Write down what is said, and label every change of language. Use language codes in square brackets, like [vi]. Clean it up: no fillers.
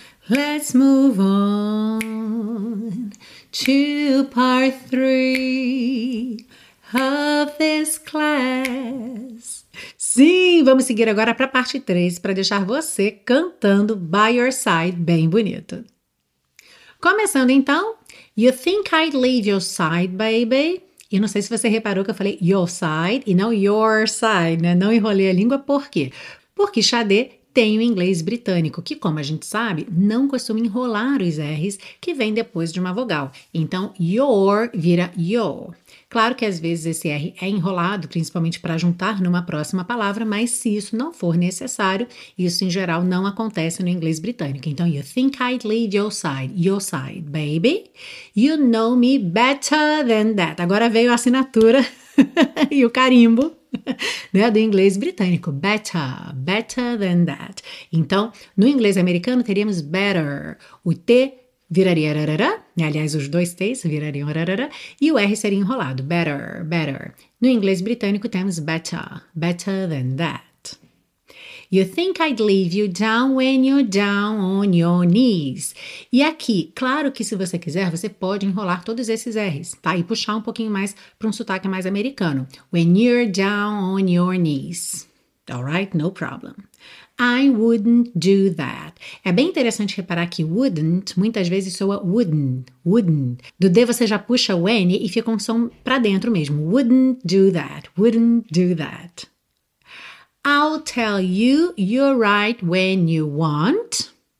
[en] Let's move on to part three of this class. [pt] Sim, vamos seguir agora para a parte 3 para deixar você cantando By Your Side bem bonito. Começando então, [en] You Think I'd Leave Your Side, Baby. [pt] Eu não sei se você reparou que eu falei [en] Your Side [pt] e não Your Side, né? Não enrolei a língua, por quê? Porque Sade tem o inglês britânico, que como a gente sabe, não costuma enrolar os R's que vem depois de uma vogal. Então, your vira your. Claro que às vezes esse R é enrolado, principalmente para juntar numa próxima palavra, mas se isso não for necessário, isso em geral não acontece no inglês britânico. [en] Então, you think I'd leave your side, baby. You know me better than that. [pt] Agora veio a assinatura e o carimbo, né, do inglês britânico, [en] better, better than that. [pt] Então, no inglês americano teríamos better, o T viraria rarara, né, aliás, os dois T's virariam rarara, e o R seria enrolado, better, better. No inglês britânico temos [en] better, better than that. You think I'd leave you down when you're down on your knees. [pt] E aqui, claro que se você quiser, você pode enrolar todos esses R's, tá? E puxar um pouquinho mais para um sotaque mais americano. [en] When you're down on your knees. Alright, no problem. I wouldn't do that. [pt] É bem interessante reparar que wouldn't muitas vezes soa wouldn't. Do D você já puxa o N e fica um som para dentro mesmo. [en] Wouldn't do that, wouldn't do that. I'll tell you you're right when you want.